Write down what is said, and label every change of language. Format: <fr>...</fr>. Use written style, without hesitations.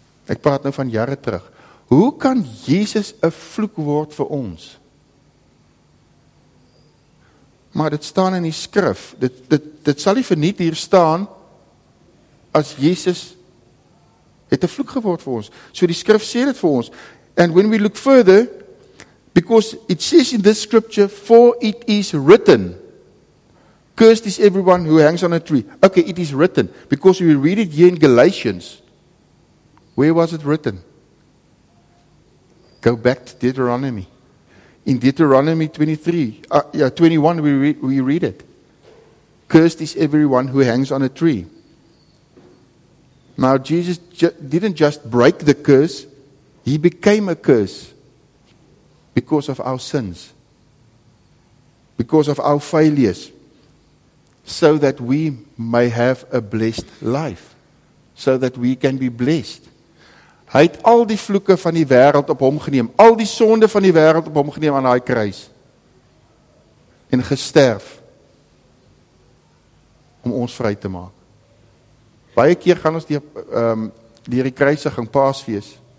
<af>Ek praat nou van jare terug. Hoe kan Jesus 'n vloek word vir ons? Maar dit staan in die skrif, dit sal nie verniet hier staan, as Jesus het 'n vloek geword vir ons. So die skrif sê dit vir ons.</af> <en>And when we look further, because it says in this scripture, for it is written, cursed is everyone who hangs on a tree. Okay, it is written, because we read it here in Galatians. Where was it written? Go back to Deuteronomy. In Deuteronomy 21, we read it. Cursed is everyone who hangs on a tree. Now, Jesus didn't just break the curse. He became a curse. because of our sins, because of our failures, so that we may have a blessed life, so that we can be blessed.</en> <af>Hy het al die vloeke van die wêreld op hom geneem, al die sonde van die wêreld op hom geneem aan daai kruis en gesterf om ons vry te maak. Baie keer gaan ons deur die kruisiging Paasfees.</af>